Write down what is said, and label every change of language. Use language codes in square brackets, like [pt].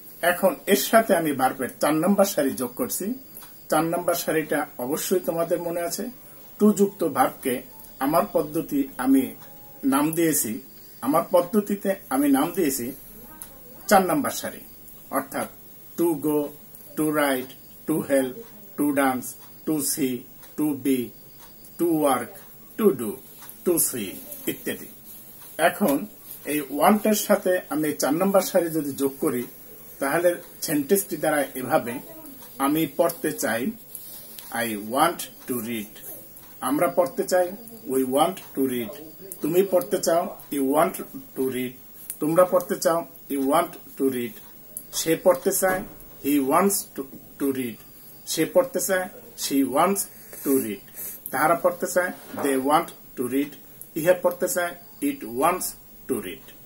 [bn] এখন এর সাথে আমি ভার্বের 4 নম্বর সারি যোগ করছি। 4 নম্বর সারিটা অবশ্যই তোমাদের মনে আছে, টু যুক্ত ভার্বকে আমার পদ্ধতি আমি নাম দিয়েছি, আমার পদ্ধতিতে আমি নাম দিয়েছি 4 নম্বর সারি, অর্থাৎ [en] to go, to write, to help, to dance, to see, to be, to work, to do, to see, ইত্যাদি। [bn] এখন এই ওয়ান্টের সাথে আমি চার নম্বর সারি যদি যোগ করি তাহলে সেন্টেন্সটি দাঁড়ায় এভাবে, আমি পড়তে চাই, [en] I want to read, [bn] আমরা পড়তে চাই, [en] we want to read, [bn] তুমি পড়তে চাও, [en] you want to read, [bn] তোমরা পড়তে চাও, ইউ ওয়ান্ট টু রিড, সে পড়তে চায়, [en] he wants to read, [bn] সে পড়তে চায়, [en] she wants to read, [bn] তারা পড়তে চায়, [en] they want to read, [bn] ইহে পড়তে চায়, [en] It wants to read.